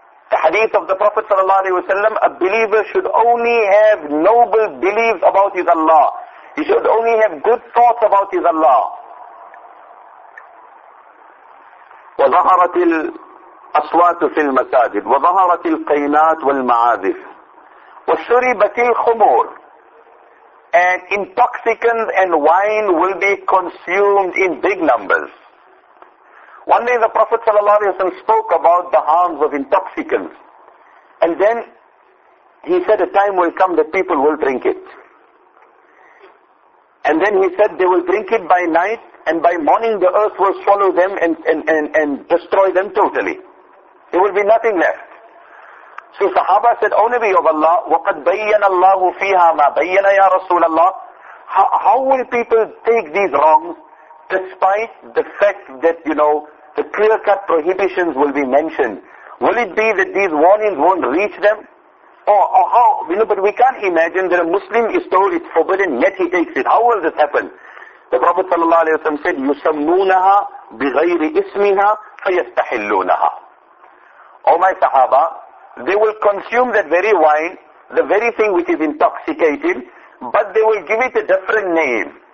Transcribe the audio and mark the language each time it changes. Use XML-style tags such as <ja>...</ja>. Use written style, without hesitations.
<en>The hadith of the Prophet sallallahu alaihi wasallam, a believer should only have noble beliefs about his Allah. He should only have good thoughts about his Allah.</en> <ar>وظهرت الأصوات في المساجد وظهرت القينات والمعازف وشربت الخمور.</ar> <en>And intoxicants and wine will be consumed in big numbers. One day the Prophet ﷺ spoke about the harms of intoxicants. And then he said, a time will come that people will drink it. And then he said, they will drink it by night, and by morning the earth will swallow them and destroy them totally. There will be nothing left. So Sahaba said, O Nabi of Allah,</en> <ar>وَقَدْ بَيَّنَ اللَّهُ فِيهَا مَا بَيَّنَ يَا رَسُولَ اللَّهِ.</ar> <en>How will people take these wrongs despite the fact that, you know, the clear-cut prohibitions will be mentioned? Will it be that these warnings won't reach them? Or how? You know, but we can't imagine that a Muslim is told it's forbidden, yet he takes it. How will this happen? The Prophet ﷺ said,</en> <ar>يُسَمُّونَهَا بِغَيْرِ إِسْمِهَا فَيَسْتَحِلُّونَهَا.</ar> <en>O my Sahaba, they will consume that very wine, the very thing which is intoxicating, but they will give it a different name.</en>